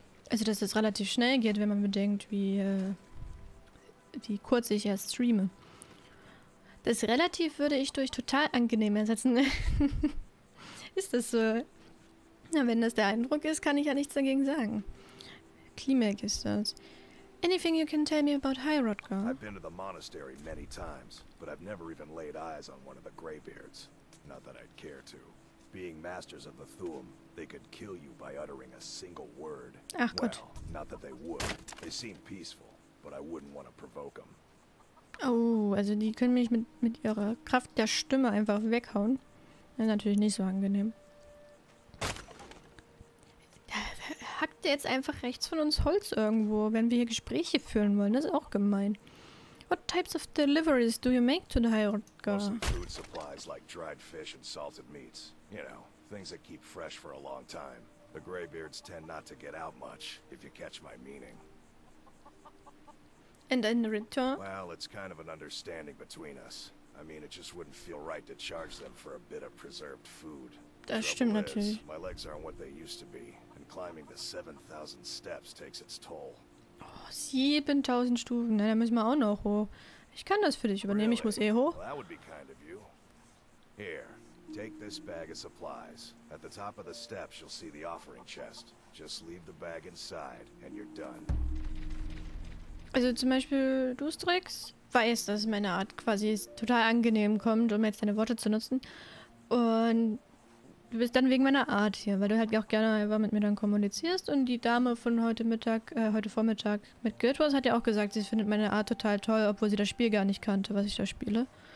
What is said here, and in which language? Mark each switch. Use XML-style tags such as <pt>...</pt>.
<de>Also dass das relativ schnell geht, wenn man bedenkt, wie kurz ich erst streame. Das relativ würde ich durch total angenehm ersetzen. Ist das so? Na, wenn das der Eindruck ist, kann ich ja nichts dagegen sagen. Klimek ist das.</de> <en>Anything you can tell me about High Hrothgar? I've been to the monastery many times, but I've never even laid eyes on one of the Greybeards. Not that I'd care to. Being masters of the Thuum, they could kill you by uttering a single word.</en> <de>Ach Gott.</de> <en>Well, not that they would. They seem peaceful, but I wouldn't want to provoke them.</en> <de>Oh, also die können mich mit ihrer Kraft der Stimme einfach weghauen. Das ist natürlich nicht so angenehm. Hackt der jetzt einfach rechts von uns Holz irgendwo, wenn wir hier Gespräche führen wollen? Das ist auch gemein.</de> <en>What types of deliveries do you make to the High Hrothgar? Food supplies like dried fish and salted meats. You know, things that keep fresh for a long time. The Greybeards tend not to get out much, if you catch my meaning. And in return? Well, it's kind of an understanding between us. I mean, it just wouldn't feel right to charge them for a bit of preserved food.</en> <de>Das stimmt natürlich.</de> <en>My legs aren't what they used to be. Climbing the 7,000 steps takes its toll.</en> <de>Oh, 7,000 Stufen, na, da müssen wir auch noch hoch. Ich kann das für dich übernehmen,</de> <en>really?</en> <de>Ich muss eh hoch.</de> <en>Well, that would be kind of you. Here, take this bag of supplies. At the top of the steps, you'll see the offering chest. Just leave the bag inside and you're done.</en> <de>Also zum Beispiel, du Strix, weißt, dass meine Art quasi total angenehm kommt, um jetzt deine Worte zu nutzen. Und Du bist dann wegen meiner Art hier, weil du halt auch gerne einfach mit mir dann kommunizierst. Und die Dame von heute Vormittag mit Guild Wars hat ja auch gesagt, sie findet meine Art total toll, obwohl sie das Spiel gar nicht kannte, was ich da spiele.</de>